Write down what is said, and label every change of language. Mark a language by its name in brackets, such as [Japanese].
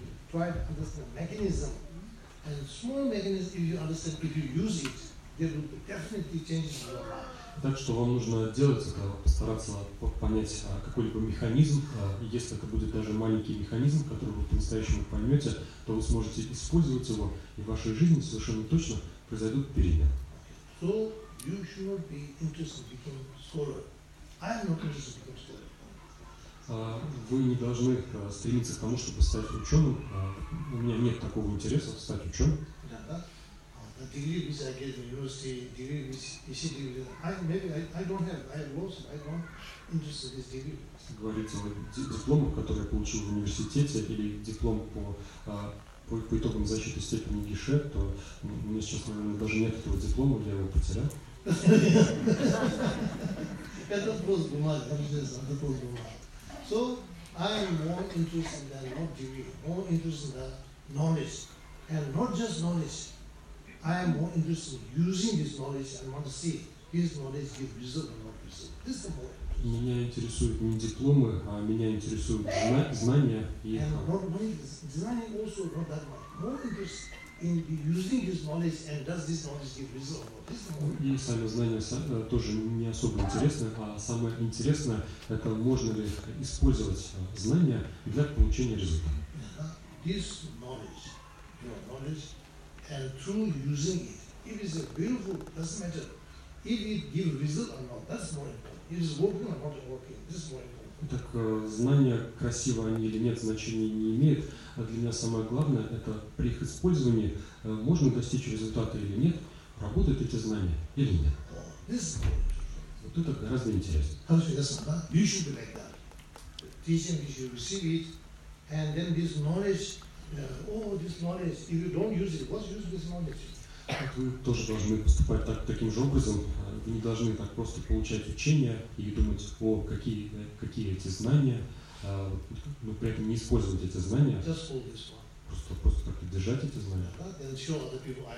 [English] Try to understand mechanism, and small mechanism, if you understand, if you use it, there will be definitely changes in your life. [Russian] Так что вам нужно делать это, постараться понять какой-либо механизм. Если это будет даже маленький механизм, который вы по-настоящему поймете, то вы сможете использовать его, и в вашей жизни совершенно точно произойдут перемены. [English] So you should not be interested in becoming scholar. I am not interested in becoming scholar. [Russian] Вы не должны стремиться к тому, чтобы стать ученым. У меня нет такого интереса стать ученым. Да, да. [English] Degree which I get in university, degree which is degree. I don't interest in this degree. [Russian] Говорится о дипломах, которые я получил в университете, или диплом по итогам защиты степени ГИШЕ, то у меня сейчас, наверное, даже нет этого диплома, я его потерял. Это просто бумага, это просто бумага. [English] So I am more interested in that, not degree, more interested in that knowledge. And not just knowledge. I am more interested in using this knowledge and want to see his knowledge give result or not result. This is the point. [Russian] Меня интересуют не дипломы, а меня интересуют знания. Знания [English] also not that much. More interested in using this knowledge and does this knowledge give result or not. [Russian] И сами знания тоже не особо интересны, а самое интересное, это можно ли использовать знания для получения результата. [English] This knowledge, your knowledge, and through using it, if it's a beautiful, doesn't matter, if it gives result or not, that's more important. If it's working or not working, this is more important. [Russian] Так знания, красиво они или нет, значения не имеют. А для меня самое главное, это при их использовании можно достичь результата или нет. Работают эти знания или нет? [English] This [Russian] вот это гораздо интереснее. Хорошо, я сам, да? [English] You should be like that. Teaching, you should receive it. And then this knowledge, this knowledge, if you don't use it, what's use this knowledge? [Russian] Вы тоже должны поступать таким же образом. Вы не должны так просто получать учение и думать, какие эти знания, но при этом не использовать эти знания. [English] Just hold this one. [Russian] Просто как-то держать эти знания.